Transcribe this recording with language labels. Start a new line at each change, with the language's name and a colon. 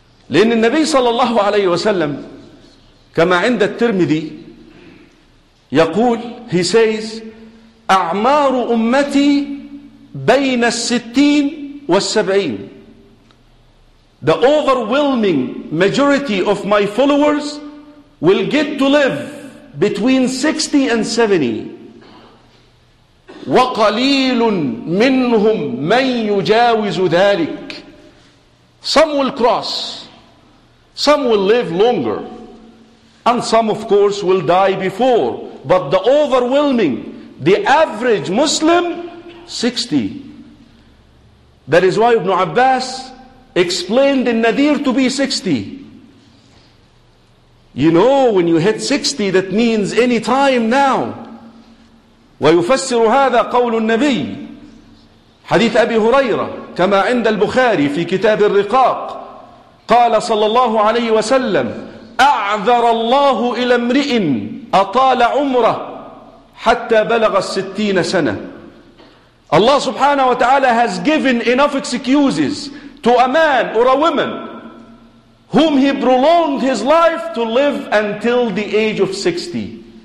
Arabic: لأن النبي صلى الله عليه وسلم كما عند الترمذي يقول,
English: he says,
Arabic: أعمار أمتي بين الستين والسبعين.
English: The overwhelming majority of my followers will get to live between 60 and 70.
Arabic: وقليل منهم من يجاوز ذلك.
English: Some will cross. Some will live longer. And some, of course, will die before. But the overwhelming, the average Muslim, 60. That is why Ibn Abbas explained the Nadir to be 60. You know, when you hit 60, that means any time now.
Arabic: وَيُفَسِّرُ هَذَا قَوْلُ النَّبِيِّ حَدِيثَ أَبِي هُرَيْرَةَ كَمَا عِنْدَ الْبُخَارِي فِي كِتَابِ الرِّقَاقِ قَالَ صَلَّى اللَّهُ عَلَيْهِ وَسَلَّمَ أعذر الله إلى امرئ أطال عمره حتى بلغ الستين سنة.
English: Allah subhanahu wa ta'ala has given enough excuses to a man or a woman whom he prolonged his life to live until the age of 60.